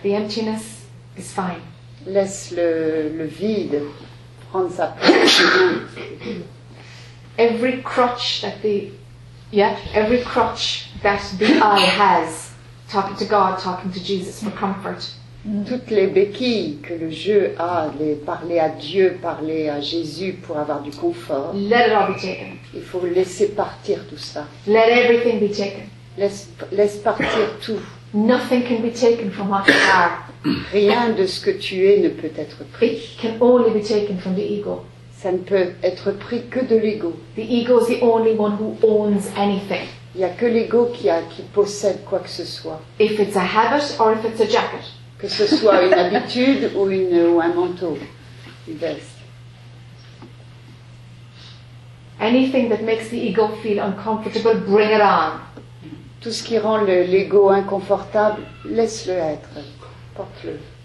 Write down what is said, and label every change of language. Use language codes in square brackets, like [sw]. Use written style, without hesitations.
[en] The emptiness is fine. [fr] Laisse le vide prendre sa place. [en] Every crutch that the I has, talking to God, talking to Jesus for comfort. [fr] Toutes les béquilles que le jeu a, les parler à Dieu, parler à Jésus pour avoir du confort. [en] Let it all be taken. [fr] Il faut laisser partir tout ça. [en] Let everything be taken. [fr] Laisse partir tout. [en] Nothing can be taken from what you are. [fr] Rien de ce que tu es ne peut être pris. [en] It can only be taken from the ego. [fr] Ça ne peut être pris que de l'ego. [en] The ego is the only one who owns anything. [fr] Il n'y a que l'ego qui possède quoi que ce soit. [en] If it's a habit or if it's a jacket. [fr] Que ce soit une habitude ou un manteau, une veste. [en] Anything that makes the ego feel uncomfortable, bring it on. [fr] Tout ce qui rend l'ego inconfortable, laisse-le être, porte-le.